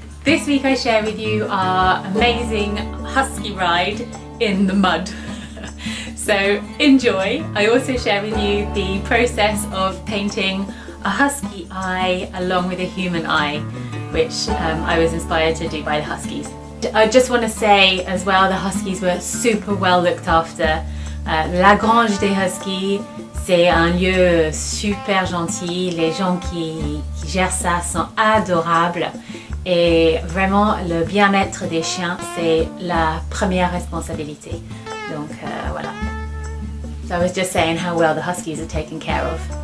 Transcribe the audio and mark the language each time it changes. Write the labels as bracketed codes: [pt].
[en] This week I share with you our amazing husky ride in the mud. So enjoy. I also share with you the process of painting a husky eye along with a human eye, which I was inspired to do by the huskies. I just want to say as well, the huskies were super well looked after. [fr] La grange des huskies, c'est un lieu super gentil. Les gens qui gèrent ça sont adorables. Et vraiment, le bien-être des chiens, c'est la première responsabilité. Donc, voilà. [en] So I was just saying how well the huskies are taken care of.